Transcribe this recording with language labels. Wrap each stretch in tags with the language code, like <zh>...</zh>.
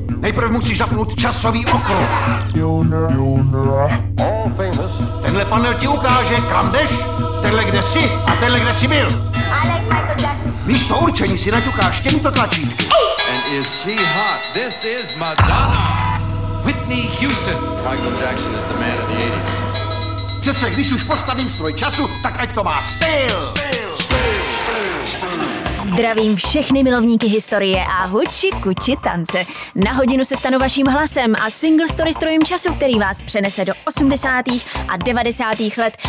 <cs>Nejprve musíš zapnout časový okruh.</cs> <en>Junior. All famous.</en> <cs>Tenhle panel ti ukáže, kam jdeš, tenhle kde jsi a tenhle kde jsi byl. Místo určení si naťukáš těmito tlačítky.</cs> <en>And is she hot? This is Madonna. Whitney Houston. Michael Jackson is the man of the 80s.</en> <cs>Přece, když už postavím stroj času, tak ať to má styl. Zdravím všechny milovníky historie a huči, kuči, tance. Na hodinu se stanu vaším hlasem a Single Story strojem času, který vás přenese do 80. a 90. let.</cs>